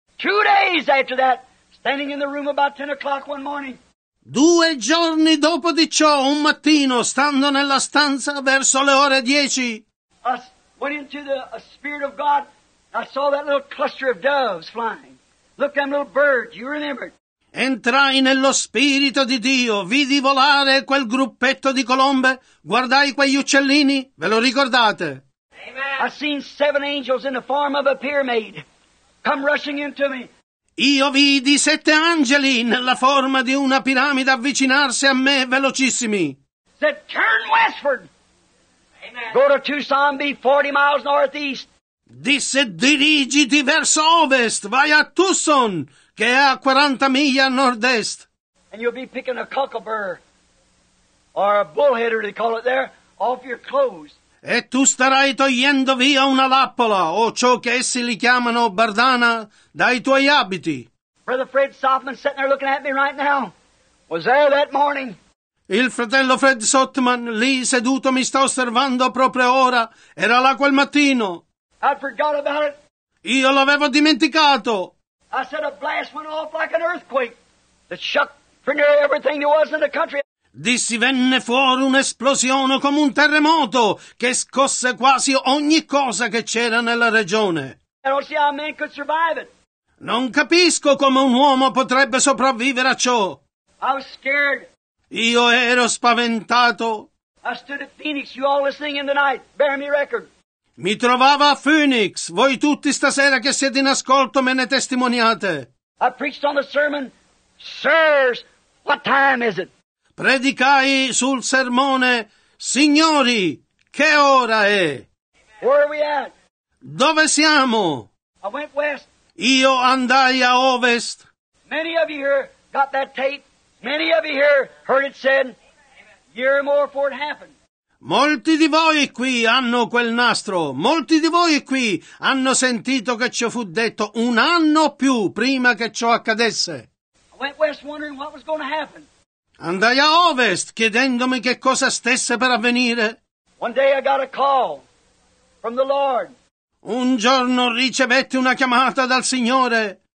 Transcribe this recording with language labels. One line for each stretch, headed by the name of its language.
English: 2 days after that, standing in the room about 10 o'clock one morning.
Italian: 2 giorni dopo di ciò, un mattino, stando nella stanza verso le ore 10,
English: I went into the Spirit of God, I saw that little cluster of doves flying. Look, them little birds, you remember it.
Italian: Entrai nello Spirito di Dio, vidi volare quel gruppetto di colombe, guardai quegli uccellini, ve lo ricordate?
English: Amen. I seen 7 angels in the form of a pyramid come rushing into me.
Italian: Io vidi 7 angeli nella forma di una piramide avvicinarsi a me velocissimi.
English: Said, turn westward. Amen. Go to Tucson, be 40 miles northeast.
Italian: Disse, dirigiti verso ovest, vai a Tucson, che è a 40 miglia a nord-est.
English: And you'll be picking a cockleburr, or a bullheader, they call it there, off your clothes.
Italian: E tu starai togliendo via una lappola, o ciò che essi li chiamano bardana, dai tuoi abiti.
English: Brother Fred Softman sitting there looking at me right now, was there that morning.
Italian: Il fratello Fred Softman, lì seduto, mi sta osservando proprio ora, era là quel mattino.
English: I forgot about it.
Italian: Io l'avevo dimenticato.
English: I said a blast went off like an earthquake that shook pretty near everything there was in the country.
Italian: Dissi, venne fuori un'esplosione come un terremoto che scosse quasi ogni cosa che c'era nella regione.
English: I don't see how a man could survive it.
Italian: Non capisco come un uomo potrebbe sopravvivere a ciò.
English: I was scared.
Italian: Io ero spaventato.
English: I stood at Phoenix, you all listening in the night, bear me record.
Italian: Mi trovava a Phoenix, voi tutti stasera che siete in ascolto me ne testimoniate.
English: I preached on the sermon, sirs, what time is it?
Italian: Predicai sul sermone, signori, che ora è?
English: Where are we at?
Italian: Dove siamo?
English: I went west.
Italian: Io andai a ovest.
English: Many of you here got that tape. Many of you here heard it said, a year or more before it happened.
Italian: Molti di voi qui hanno quel nastro. Molti di voi qui hanno sentito che ciò fu detto un anno più prima che ciò accadesse.
English: I went west wondering what was going to happen.
Italian: Andai a ovest chiedendomi che cosa stesse per avvenire.
English: One day I got a call from the Lord.
Italian: Un giorno ricevetti una chiamata dal Signore.